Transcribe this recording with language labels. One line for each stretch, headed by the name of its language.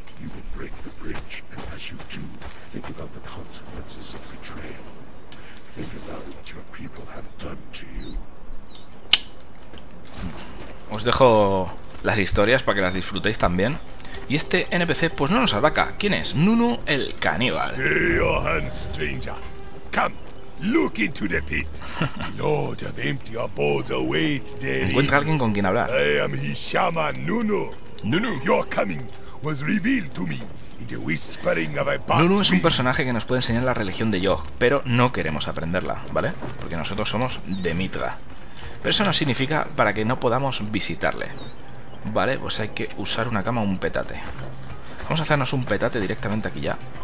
English: You will break the bridge, and as you do, think about the consequences of betrayal. Think about what your people have done to you.
Spanish: Os dejo las historias para que las disfrutéis también. Y este NPC, pues no nos ataca. ¿Quién es? Nunu el caníbal.
English: Stay your hand, stranger. Come. Look into the pit. The Lord of Empty Abodes awaits there.
Spanish: Encuentra a alguien con quien hablar.
English: I am his shaman, Nunu. Nunu. Your coming was revealed to me in the whispering of a past.
Spanish: Nunu es un personaje que nos puede enseñar la religión de Yogg, pero no queremos aprenderla, ¿vale? Porque nosotros somos de Mitra. Pero eso no significa para que no podamos visitarle. Vale, pues hay que usar una cama o un petate. Vamos a hacernos un petate directamente aquí ya.